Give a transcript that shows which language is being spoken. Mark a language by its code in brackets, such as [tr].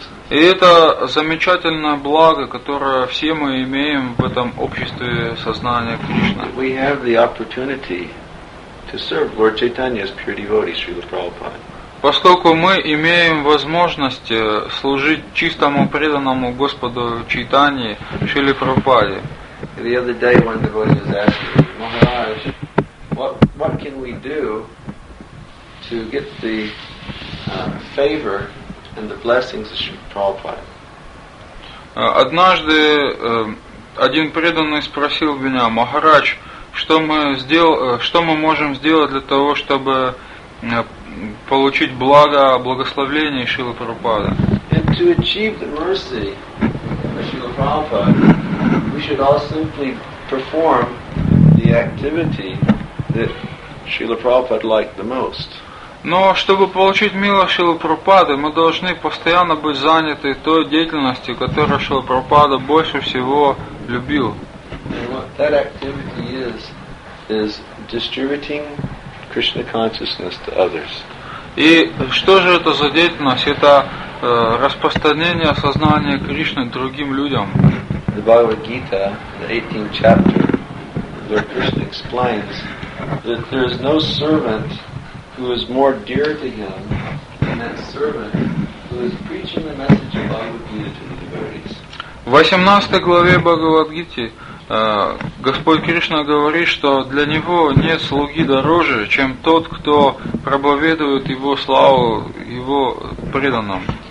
[ru] И это замечательное благо, которое все мы имеем в этом обществе сознания Кришны. [en] We have the opportunity to serve Lord Chaitanya's pure devotee Srila Prabhupada. [ru] Поскольку мы имеем возможность служить чистому преданному Господу Чайтанье Шриле Прабхупаде. [en] The other day one devotee was asking Maharaj, what can we do to get the favor and the blessings of Srila Prabhupada? [ru] Однажды один преданный спросил меня: Махарадж, что мы можем сделать для того, чтобы получить благо, благословение Шрилы Прабхупады? [en] And to achieve the mercy of Srila Prabhupada, we should all simply perform the activity that Srila Prabhupada liked the most. [ru] Но чтобы получить милость Шрилы Прабхупады, мы должны постоянно быть заняты той деятельностью, которую Шрила Прабхупада больше всего любил. [en] And what that activity is distributing Krishna consciousness to others. [ru] И что же это за деятельность? Это распространение сознания Кришны другим людям. [en] The Bhagavad Gita, the 18th chapter, Lord Krishna explains that there is no servant who is more dear to him than that servant who is preaching the message of Bhagavad Gita to the devotees. [ru] В 18 главе Бхагавад Гиты Господь Кришна говорит, что для него нет слуги дороже, чем тот, кто проповедует его славу его преданным.